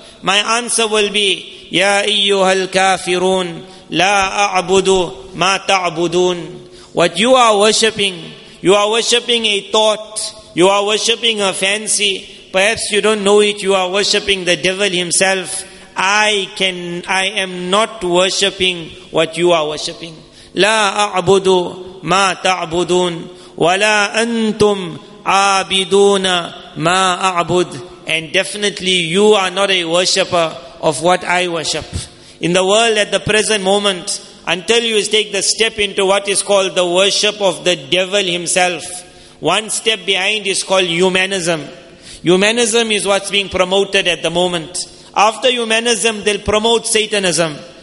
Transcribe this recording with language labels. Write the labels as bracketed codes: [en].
[en] My answer will be, [ar] Ya ayyuhal kafirun, la a'budu ma ta'budun. [en] What you are worshipping a thought, you are worshipping a fancy, perhaps you don't know it, you are worshipping the devil himself. I am not worshipping what you are worshipping. [ar] لا أعبد ما تعبدون ولا أنتم عابدون ما أعبد. [en] And definitely you are not a worshipper of what I worship. In the world at the present moment, until you take the step into what is called the worship of the devil himself, one step behind is called humanism. Humanism is what's being promoted at the moment. After humanism, they'll promote Satanism.